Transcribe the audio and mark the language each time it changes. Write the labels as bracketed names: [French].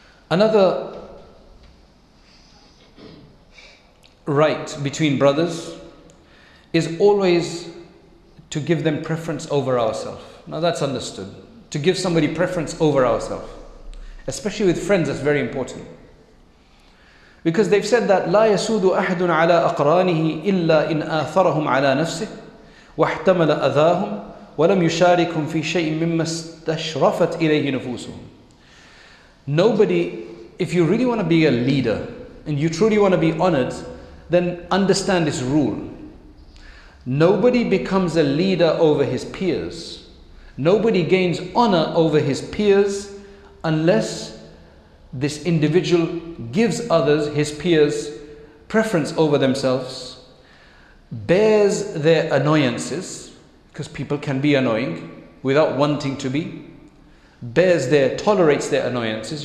[English] Another right between brothers is always to give them preference over ourselves. Now that's understood. To give somebody preference over ourselves, especially with friends, that's very important. Because they've said that [Arabic] لا يسود أحد على أقرانه إلا إن آثرهم على نفسه واحتمل أذاهم ولم يشاركهم في شيء مما استشرفت إليه نفوسهم. [English] Nobody, if you really want to be a leader and you truly want to be honored, then understand this rule. Nobody becomes a leader over his peers. Nobody gains honor over his peers unless this individual gives others, his peers, preference over themselves, bears their annoyances, because people can be annoying without wanting to be, tolerates their annoyances.